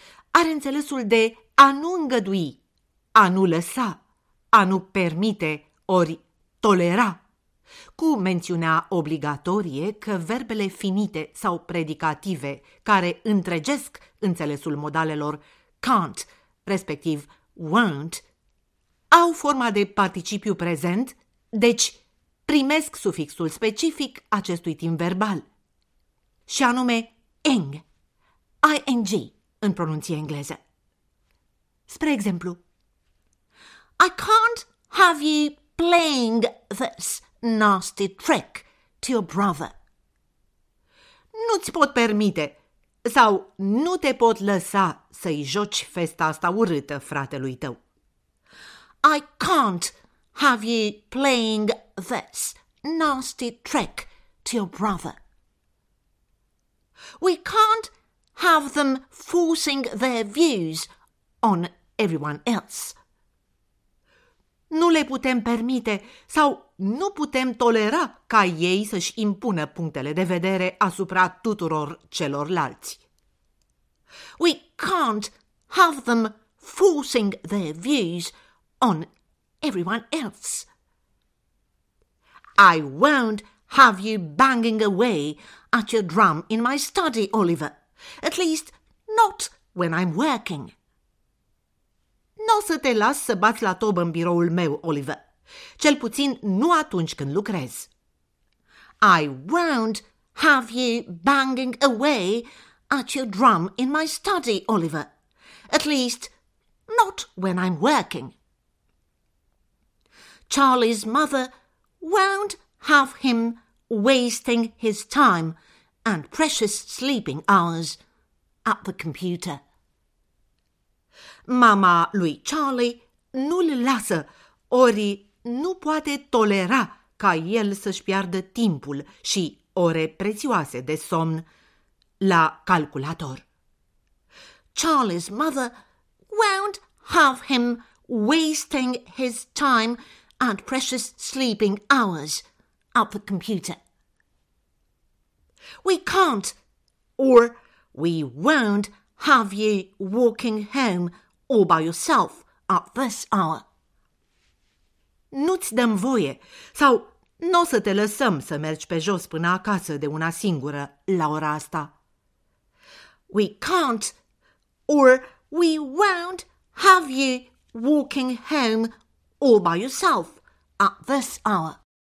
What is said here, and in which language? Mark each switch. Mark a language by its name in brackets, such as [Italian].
[Romanian] are înțelesul de a nu îngădui, a nu lăsa, a nu permite, ori tolera, cu mențiunea obligatorie că verbele finite sau predicative care întregesc înțelesul modalelor can't, respectiv won't, au forma de participiu prezent, deci primesc sufixul specific acestui timp verbal, și anume ing, ing în pronunție engleză. Spre exemplu, [English] I can't have you playing this nasty trick to your brother. [Romanian] Nu-ți pot permite sau nu te pot lăsa să-i joci festa asta urâtă fratelui tău. [English] I can't have you playing this nasty trick to your brother. We can't have them forcing their views on everyone else. [Romanian] Nu le putem permite sau nu putem tolera ca ei să-și impună punctele de vedere asupra tuturor celorlalți. [English] We can't have them forcing their views on everyone else. I won't have you banging away at your drum in my study, Oliver. At least, not when I'm working. [Romanian] N-o să te las să bați la tobă în biroul meu, Oliver. Cel puțin nu atunci când lucrez. [English] I won't have you banging away at your drum in my study, Oliver. At least, not when I'm working. Charlie's mother won't have him wasting his time and precious sleeping hours at the computer. [Romanian] Mama lui Charlie nu-l lasă, ori nu poate tolera ca el să-și piardă timpul și ore prețioase de somn la calculator. [English] Charlie's mother won't have him wasting his time and precious sleeping hours at the computer. We can't, or we won't have you walking home all by yourself at this hour. [Romanian] Nu-ți dăm voie, sau n-o să te lăsăm să mergi pe jos până acasă de una singură la ora asta. [English] We can't, or we won't have you walking home all by yourself at this hour.